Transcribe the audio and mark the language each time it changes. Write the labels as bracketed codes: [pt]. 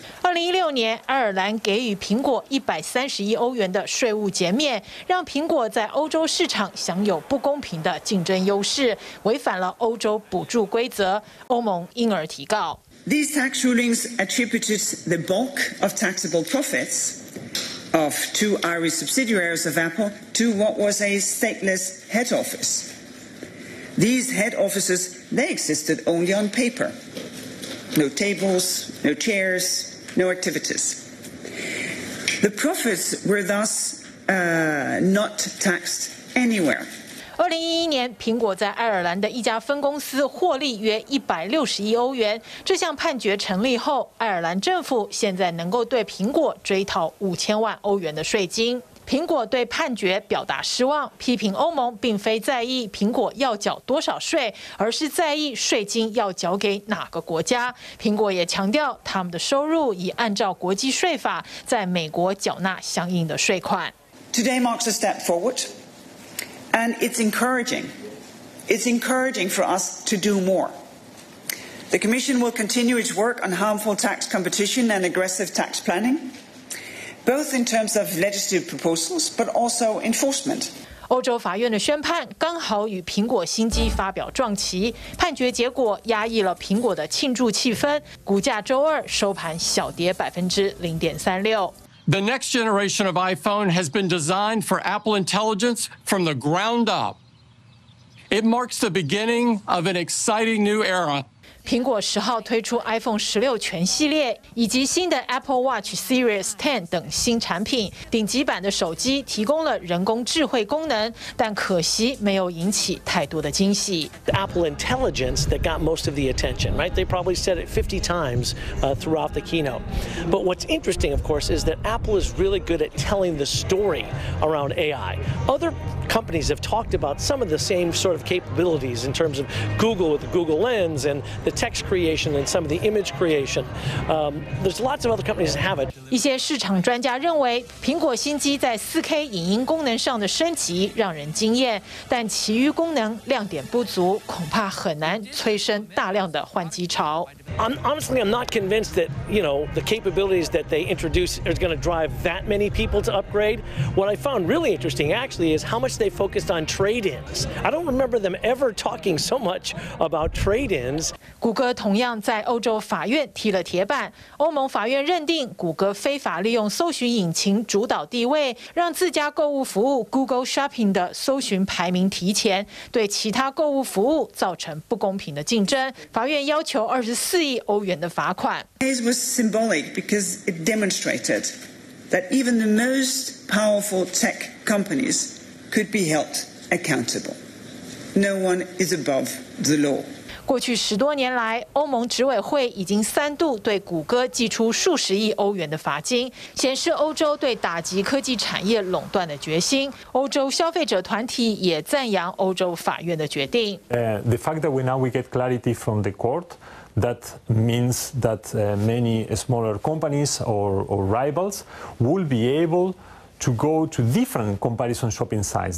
[zh] 2016年，爱尔兰给予苹果130亿欧元的税务减免，让苹果在欧洲市场享有不公平的竞争优势，违反了欧洲补助规则，欧盟因而提告。 [en] These tax rulings attributed the bulk of taxable profits of two Irish subsidiaries of Apple to what was a stateless head office. These head offices, they existed only on paper. No tables, no chairs. No activities. The profits were thus not taxed anywhere. [zh] 2011年，苹果在爱尔兰的一家分公司获利约160亿欧元。这项判决成立后，爱尔兰政府现在能够对苹果追讨5000万欧元的税金。苹果对判决表达失望，批评欧盟并非在意苹果要缴多少税，而是在意税金要缴给哪个国家。苹果也强调，他们的收入已按照国际税法在美国缴纳相应的税款。 [en] Today marks a step forward, and it's encouraging. It's encouraging for us to do more. The Commission will continue its work on harmful tax competition and aggressive tax planning, both in terms of legislative proposals, but also enforcement. [zh] 欧洲法院的宣判刚好与苹果新机发表撞期，判决结果压抑了苹果的庆祝气氛，股价周二收盘小跌0.36%。 [en] The next generation of iPhone has been designed for Apple intelligence from the ground up. It marks the beginning of an exciting new era. [zh] 苹果十号推出 iPhone 16全系列，以及新的 Apple Watch Series 10等新产品。顶级版的手机提供了人工智慧功能，但可惜没有引起太多的惊喜。 [en] The Apple Intelligence that got most of the attention, right? They probably said it 50 times, throughout the keynote. But what's interesting, of course, is that Apple is really good at telling the story around AI. Other companies have talked about some of the same sort of capabilities in terms of Google with the Google Lens and the text creation and some of the image creation. There's lots of other companies that have it. [zh] 一些市场专家认为，苹果新机在 4K 影音功能上的升级让人惊艳，但其余功能亮点不足，恐怕很难催生大量的换机潮。 [en] Honestly, I'm not convinced that, you know, the capabilities that they introduce are going to drive that many people to upgrade. What I found really interesting, actually, is how much they focused on trade-ins. I don't remember them ever talking so much about trade-ins. [zh] 谷歌同样在欧洲法院踢了铁板。欧盟法院认定谷歌非法利用搜寻引擎主导地位，让自家购物服务 Google Shopping 的搜寻排名提前，对其他购物服务造成不公平的竞争。法院要求24亿欧元的罚款。 [en] This was symbolic because it demonstrated that even the most powerful tech companies could be held accountable. No one is above the law. [zh] 过去十多年来，欧盟执委会已经三度对谷歌寄出数十亿欧元的罚金，显示欧洲对打击科技产业垄断的决心。欧洲消费者团体也赞扬欧洲法院的决定。 [en] The fact that we get clarity from the court, that means that many smaller companies or rivals will be able to go to different comparison shopping sites.